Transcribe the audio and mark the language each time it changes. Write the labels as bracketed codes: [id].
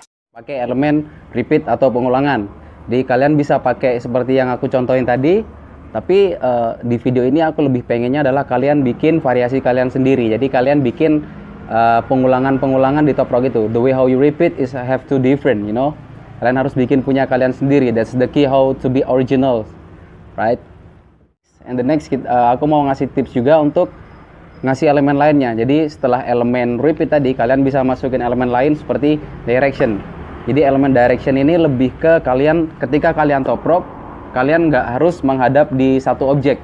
[id] pakai elemen repeat atau pengulangan. Jadi kalian bisa pakai seperti yang aku contohin tadi, tapi di video ini aku lebih pengennya adalah kalian bikin variasi kalian sendiri. Jadi kalian bikin pengulangan-pengulangan di Toprock itu. [en] The way how you repeat is have to different, you know. [id] Kalian harus bikin punya kalian sendiri. [en] That's the key how to be original, right? And the next, [id] aku mau ngasih tips juga untuk ngasih elemen lainnya. Jadi setelah elemen repeat tadi, kalian bisa masukin elemen lain seperti direction. Jadi elemen direction ini lebih ke kalian, ketika kalian Toprock, kalian nggak harus menghadap di satu objek.